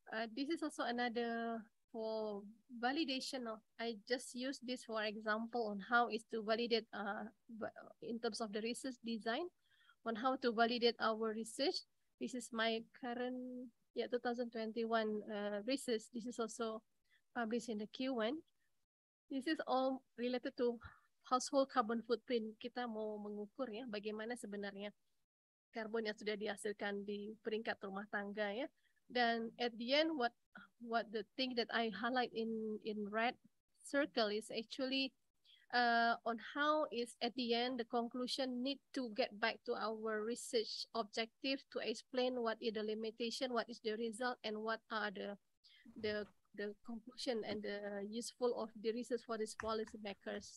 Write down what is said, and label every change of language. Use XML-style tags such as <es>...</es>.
<en>This is also another for validation of, I just use this for example on how is to validate in terms of the research design, on how to validate our research. This is my current 2021 research. This is also published in the Q1. This is all related to household carbon footprint.</en> <id>Kita mau mengukur ya bagaimana sebenarnya karbon yang sudah dihasilkan di peringkat rumah tangga ya.</id> <en>Dan at the end, what the thing that I highlight in red circle is actually on how is at the end the conclusion need to get back to our research objective to explain what is the limitation, what is the result, and what are the conclusion and the useful of the research for these policymakers.</en>